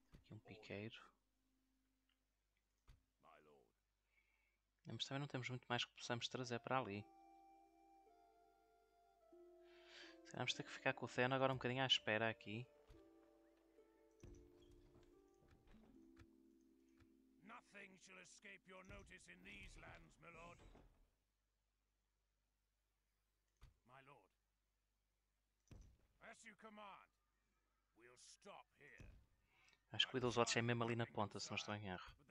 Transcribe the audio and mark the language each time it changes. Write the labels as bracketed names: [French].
[Portuguese] Um piqueiro. Mas também não temos muito mais que possamos trazer para ali. Será que vamos ter que ficar com o Theon agora um bocadinho à espera aqui. [English] Nothing shall escape your notice in these lands, my lord. My lord. As you command, we'll stop here. [Portuguese] Acho que o Widow's Watch é mesmo ali na ponta, se não estou em erro.